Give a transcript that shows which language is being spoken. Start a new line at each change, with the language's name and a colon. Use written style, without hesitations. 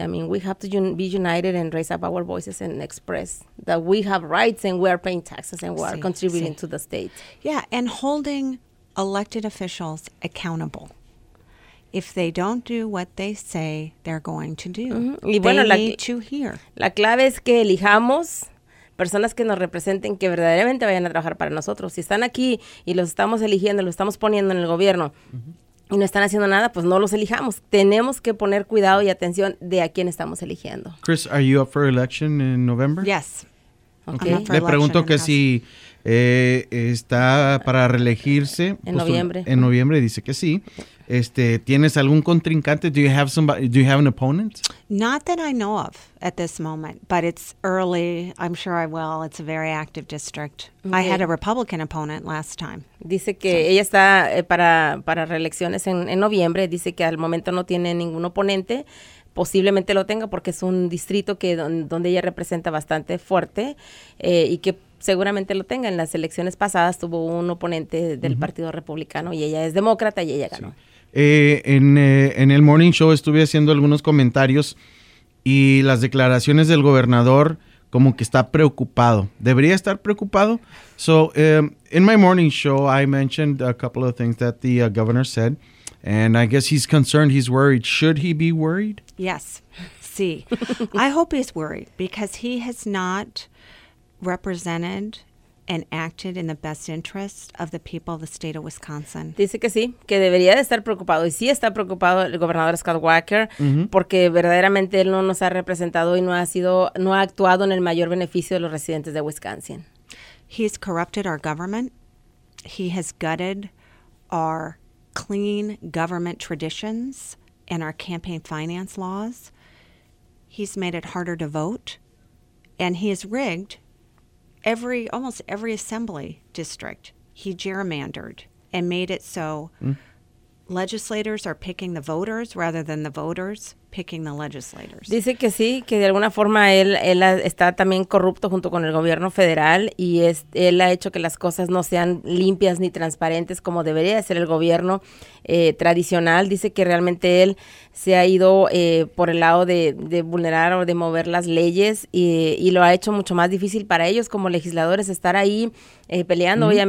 English: I mean, we have to be united and raise up our voices and express that we have rights and we are paying taxes and we are contributing to the state. Yeah, and holding elected officials accountable. If they don't do what they say they're going to do, mm-hmm. they need to hear.
Spanish: La clave es que elijamos personas que nos representen, que verdaderamente vayan a trabajar para nosotros. Si están aquí y los estamos eligiendo, los estamos poniendo en el gobierno, uh-huh. y no están haciendo nada, pues no los elijamos. Tenemos que poner cuidado y atención de a quién estamos eligiendo.
English: Chris, are you up for election in November? Yes.
Spanish: Okay. Le pregunto que si está para reelegirse en noviembre. En noviembre dice que sí. ¿Tienes algún contrincante?
English: Do you have an opponent? Not that I know of at this moment, but it's early. I'm sure I will. It's a very active district. Okay. I had a Republican opponent last time.
Spanish: Dice que ella está para reelecciones en noviembre. Dice que al momento no tiene ningún oponente. Posiblemente lo tenga porque es un distrito que donde ella representa bastante fuerte y que seguramente lo tenga. En las elecciones pasadas tuvo un oponente del uh-huh. Partido Republicano y ella es demócrata y ella ganó. Sí. En el Morning Show estuve haciendo algunos comentarios y las declaraciones del gobernador como que está preocupado. ¿Debería estar preocupado?
English: So, in my Morning Show, I mentioned a couple of things that the governor said. And I guess he's concerned, he's worried. Should he be worried? Yes.
Spanish: Sí.
English: I hope he's worried because he has not represented and acted in the best interest of the people of the state of Wisconsin.
Spanish: Dice que sí, que debería de estar preocupado. Y sí está preocupado el gobernador Scott Walker, mm-hmm. porque verdaderamente él no nos ha representado y no ha actuado en el mayor beneficio de los residentes de Wisconsin.
English: He's corrupted our government. He has gutted our clean government traditions and our campaign finance laws. He's made it harder to vote, and he has rigged almost every assembly district. He gerrymandered and made it so legislators are picking the voters rather than the voters picking the legislators.
Spanish: Dice que sí, que de alguna forma él está también corrupto junto con el gobierno federal y él ha hecho que las cosas no sean limpias ni transparentes como debería ser el gobierno tradicional. Dice que realmente él se ha ido por el lado de vulnerar o de mover las leyes y lo ha hecho mucho más difícil para ellos como legisladores estar ahí peleando, mm-hmm.